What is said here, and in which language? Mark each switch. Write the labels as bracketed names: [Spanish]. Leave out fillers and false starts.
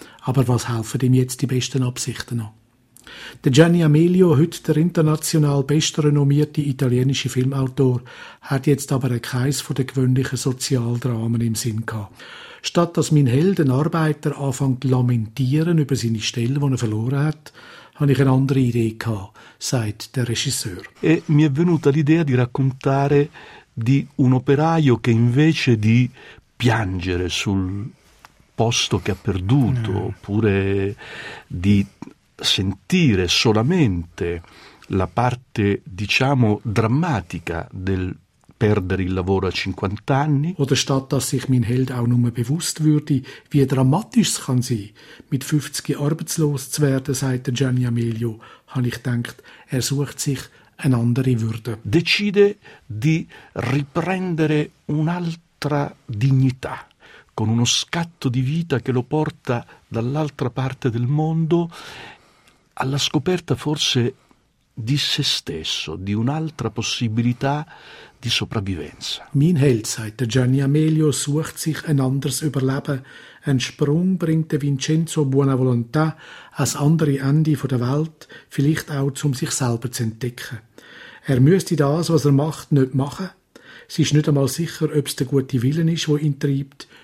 [German] Aber was helfen ihm jetzt die besten Absichten noch? Der Gianni Amelio, heute der international bestrenommierte italienische Filmautor, hat jetzt aber keins von den gewöhnlichen Sozialdramen im Sinn gehabt. Statt dass mein Held, ein Arbeiter, anfängt lamentieren über seine Stelle, die er verloren hat, habe ich eine andere Idee gehabt, sagt der Regisseur. [Italian] E mi è venuta l'idea di raccontare di un operaio che invece di piangere sul posto che ha perduto, oppure di sentire solamente la parte, diciamo, drammatica del perdere il lavoro a 50 anni. [German] Oder statt dass sich mein Held auch nur bewusst würde, wie dramatisch es kann sein, mit 50 arbeitslos zu werden, sagt Gianni Amelio, habe ich gedacht, er sucht sich eine andere Würde. [Italian] Decide di riprendere un'altra dignità, con uno scatto di vita che lo porta dall'altra parte del mondo alla scoperta forse di se stesso, di un'altra possibilità di sopravvivenza. [German] Mein Held, sagt Gianni Amelio, sucht sich ein anderes Überleben. Ein Sprung bringt Vincenzo Buonavolontà ans andere Ende der Welt, vielleicht auch, um sich selber zu entdecken. Er müsste das, was er macht, nicht machen. Sie ist nicht einmal sicher, ob es der gute Willen ist, der ihn treibt.